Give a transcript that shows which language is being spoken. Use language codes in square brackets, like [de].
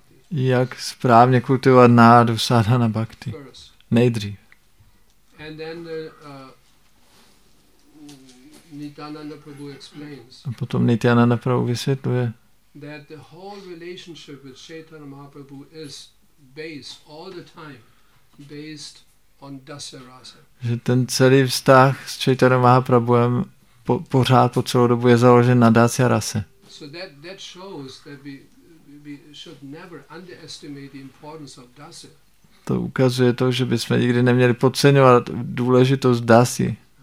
[cs] Jak správně kultivovat náladu sadhana bhakti. Nejdřív. [en] And then Nityananda Prabhu explains. [cs] A potom Nityananda Prabhu vysvětluje. [en] That the whole relationship with Chaitanya Mahaprabhu is based all the time based on dasya rasa. [cs] Že ten celý vztah s Chaitanya Mahaprabhuem pořád po celou dobu je založen na dasya rase. [en] So that shows that we should never underestimate the importance of dasya. [cs] To ukazuje to, že bychom nikdy neměli podceňovat důležitost dasy.